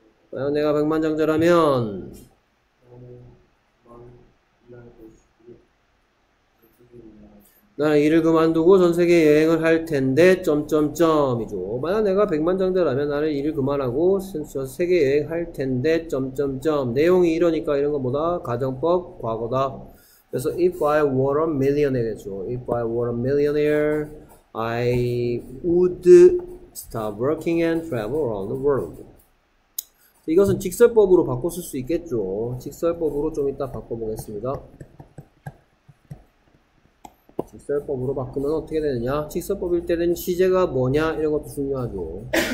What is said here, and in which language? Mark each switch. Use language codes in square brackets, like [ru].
[ko] 만약 내가 백만장자라면 나는 일을 그만두고 전 세계 여행을 할 텐데 점점점이죠. 만약 내가 백만장자라면 나는 일을 그만하고 전 세계 여행할 텐데 점점점. 내용이 이러니까 이런 건 뭐다? 가정법 과거다. 그래서 [en] if I were a millionaire [ko] 죠. [en] If I were a millionaire, I would stop working and travel around the world. [ko] 이것은 직설법으로 바꿔 쓸수 있겠죠. 직설법으로 좀 이따 바꿔보겠습니다. 직설법으로 바꾸면 어떻게 되느냐? 직설법일 때는 시제가 뭐냐? 이런 것도 중요하죠.